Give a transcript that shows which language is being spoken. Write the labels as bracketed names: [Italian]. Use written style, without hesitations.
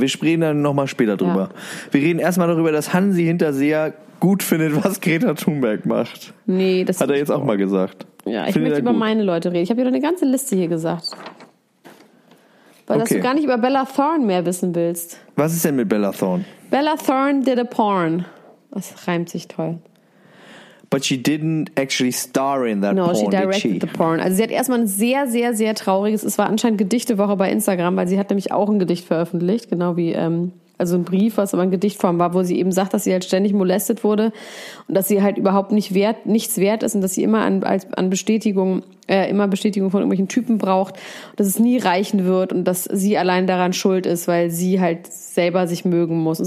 [German] Wir sprechen dann nochmal später drüber. Ja. Wir reden erstmal darüber, dass Hansi Hinterseher gut findet, was Greta Thunberg macht. Nee, das hat er jetzt auch mal gesagt. Ja, ich möchte über meine Leute reden. Ich habe ja eine ganze Liste hier gesagt. Weil dass du gar nicht über Bella Thorne mehr wissen willst. Was ist denn mit Bella Thorne? [English] Bella Thorne did a porn. [German] Das reimt sich toll. [English] But she didn't actually star in that porn, did she? No, she directed the porn. [German] Also sie hat erstmal ein sehr, sehr, sehr trauriges, es war anscheinend Gedichtewoche bei Instagram, weil sie hat nämlich auch ein Gedicht veröffentlicht, genau wie also ein Brief, was aber in Gedichtform war, wo sie eben sagt, dass sie halt ständig molestet wurde und dass sie halt überhaupt nichts wert ist und dass sie immer an Bestätigung von irgendwelchen Typen braucht, dass es nie reichen wird und dass sie allein daran schuld ist, weil sie halt selber sich mögen muss.